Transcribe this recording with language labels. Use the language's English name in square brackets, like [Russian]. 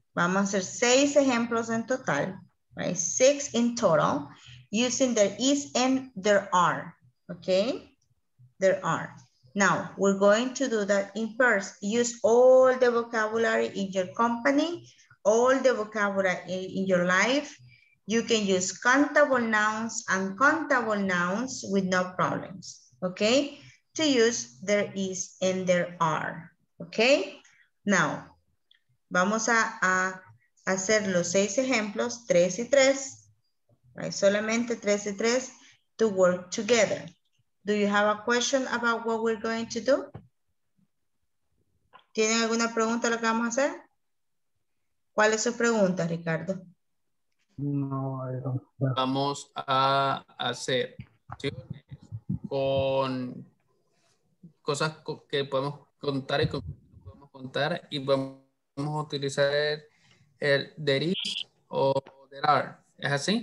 [Spanish] Vamos a hacer seis ejemplos en total, right? [English] Six in total, using there is and there are, okay? There are. Now, we're going to do that in pairs. Use all the vocabulary in your company, all the vocabulary in your life. You can use countable nouns, uncountable nouns with no problems, okay? To use there is and there are, okay? [Spanish] Now, vamos a hacer los seis ejemplos, tres y tres, right? Solamente tres y tres, [English] to work together. Do you have a question about what we're going to do? [Spanish] ¿Tienen alguna pregunta lo que vamos a hacer? ¿Cuál es su pregunta, Ricardo? No, vamos a hacer con cosas que podemos contar y podemos contar y vamos a utilizar el there is o there are. ¿Es así?